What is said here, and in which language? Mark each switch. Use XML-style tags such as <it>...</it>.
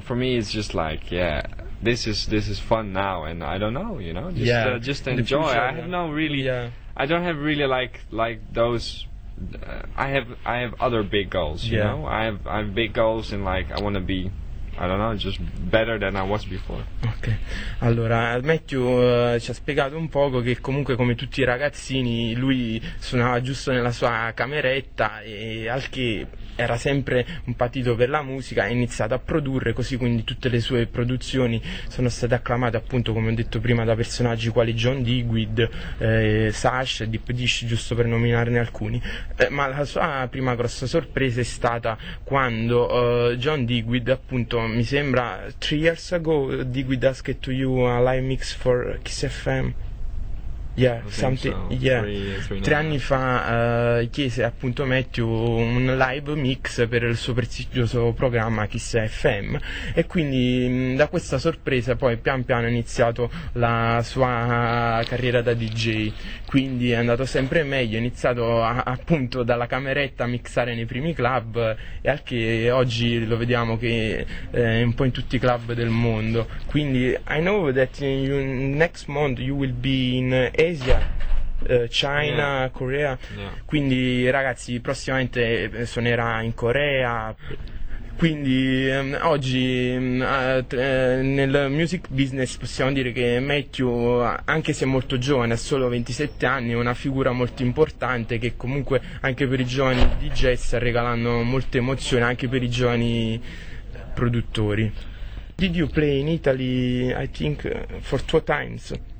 <en>for me it's just like, yeah, this is fun now, and I don't know, you know? Just enjoy. Future, I have no really, I don't have really like those. I have other big goals, you know. I have big goals, and like I want to be, I don't know, just better than I was before.</en> <it>Ok, allora Matthew ci ha spiegato un poco che comunque, come tutti i ragazzini, lui suonava giusto nella sua cameretta, e al che era sempre un patito per la musica, ha iniziato a produrre, così quindi tutte le sue produzioni sono state acclamate, appunto, come ho detto prima, da personaggi quali John Digweed, Sash, Deep Dish, giusto per nominarne alcuni. Ma la sua prima grossa sorpresa è stata quando John Digweed, appunto, mi sembra</it> <en>3 years ago, Digweed asked to you a live mix for Kiss FM. Yeah, something. So. Yeah, three</en> <it>anni fa chiese appunto Matthew un live mix per il suo prestigioso programma Kiss FM, e quindi da questa sorpresa poi pian piano è iniziato la sua carriera da DJ. Quindi è andato sempre meglio, è iniziato appunto dalla cameretta a mixare nei primi club, e anche oggi lo vediamo che è un po' in tutti i club del mondo. Quindi</it> <en>I know that next month you will be in Asia, China, yeah. Korea, yeah.</en> <it>Quindi ragazzi, prossimamente suonerà in Corea. Quindi oggi nel music business possiamo dire che Matthew, anche se è molto giovane, ha solo 27 anni, è una figura molto importante che comunque anche per i giovani DJ sta regalando molte emozioni, anche per i giovani produttori.</it> <en>Did you play in Italy, I think, for 2 times?</en>